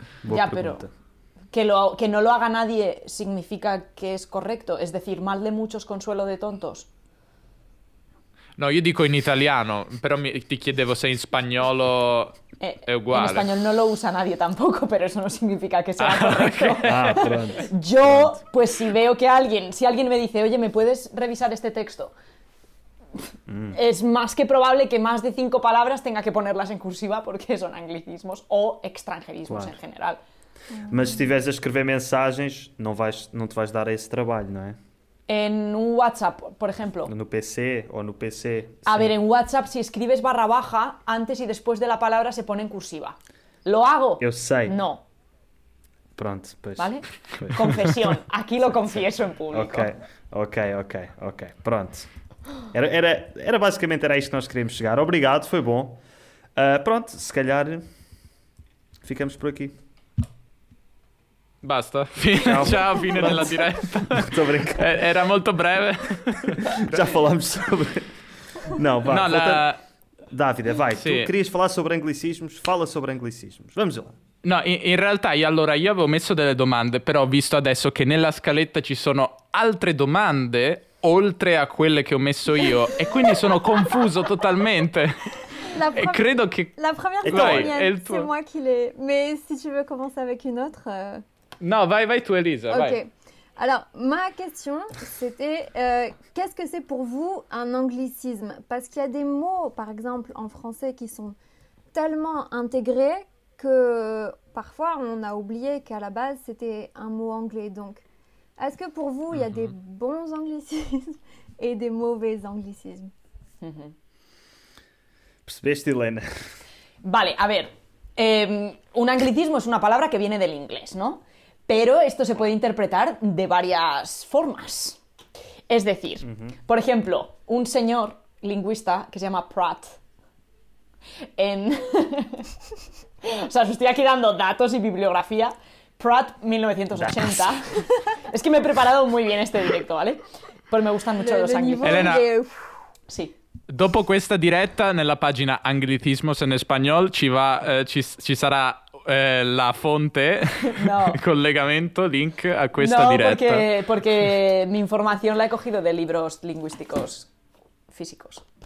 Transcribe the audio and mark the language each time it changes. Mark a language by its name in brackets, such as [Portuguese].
[Spanish] Ya, [Italian] però che [Spanish] non lo haga nadie significa che [Italian] è corretto, [Spanish] es decir, mal de muchos consuelo de tontos. [Italian] No, io dico in italiano, però ti chiedevo se in spagnolo è uguale. In spagnolo non lo usa [Spanish] nadie tampoco, [Italian] però [Spanish] eso no significa [Italian] che sia corretto. [English] Okay. [Spanish] Yo, pues si veo que alguien, si alguien me dice, oye, ¿me puedes revisar este texto? Es más que probable que más de 5 palabras tenga que ponerlas en cursiva porque son anglicismos o extranjerismos en general. [Portuguese] Mas si estiveres a escrever [Spanish] mensajes, no te vas a dar ese trabajo, ¿no? En un WhatsApp, por ejemplo. En un PC o en un PC. A ver, en WhatsApp, si escribes barra baja, antes y después de la palabra se pone en cursiva. ¿Lo hago? Yo sé. No. Pronto, pues. ¿Vale? Pues. Confesión. Aquí lo confieso en público. Ok. Pronto. [Portuguese] Era básicamente era isto que nós queríamos chegar. Obrigado, foi bom. Pronto, se calhar ficamos por aqui. [Italian] Basta, fine. Ciao, fine basta. Della diretta. Sto brincando. Era molto breve. [Portuguese] Già falamos sobre... Não, vá. Não, la... Davide, vai. Sì. Tu querias falar sobre anglicismos? Fala sobre anglicismos. Vamos lá. [Italian] No, in realtà, io avevo messo delle domande, però ho visto adesso che nella scaletta ci sono altre domande oltre a quelle che ho messo io, e quindi sono confuso totalmente. E credo che... [French] La première [Italian] domanda è tua. [French] C'est moi qui l'ai. Mais si tu veux commencer avec une autre... [Italian] No, vai tu, Elisa, [English] okay. [Italian] Vai. [French] Alors, ma question, c'était qu'est-ce que c'est pour vous un anglicisme? Parce qu'il y a des mots, par exemple, en français qui sont tellement intégrés que parfois on a oublié qu'à la base c'était un mot anglais. Donc, est-ce que pour vous, il y a des bons anglicismes et des mauvais anglicismes? [Portuguese] Percebeste, Elena? [Spanish] Vale, a ver. Un anglicismo es una palabra que viene del inglés, ¿no? Pero esto se puede interpretar de varias formas. Es decir, por ejemplo, un señor lingüista que se llama Pratt. En... o sea, os estoy aquí dando datos y bibliografía. Pratt, 1980. Es que me he preparado muy bien este directo, ¿vale? Pero me gustan mucho los anglicismos. Elena. Sí. [Italian] Dopo questa diretta, nella pagina Anglicismos en español, ci sarà... [Spanish] la fuente, no. [Italian] Collegamento, link a questa diretta. [Spanish] No, porque mi información la he cogido de libros lingüísticos físicos.